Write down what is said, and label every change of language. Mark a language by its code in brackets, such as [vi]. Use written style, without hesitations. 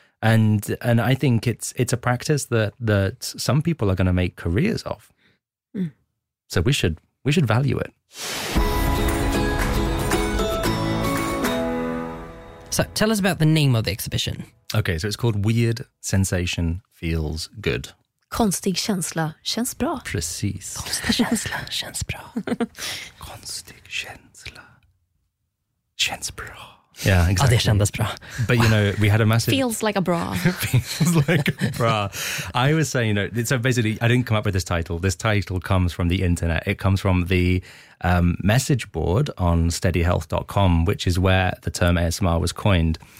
[en] And I think it's a practice that some people are going to make careers of. Mm. So we should value it. So tell us about the name of the exhibition. Okay, so it's called Weird Sensation Feels Good. [sv] Konstig känsla känns bra. Precis. Konstig känsla känns bra. Konstig känsla känns bra. [en] Yeah, exactly. [sv] Oh, det kändes bra. [en] But, you know, we had a massive... Feels like a bra. Feels like a bra. I was saying, you know, so basically, I didn't come up with this title. This title comes from the internet. It comes from the message board on steadyhealth.com, which is where the term ASMR was coined.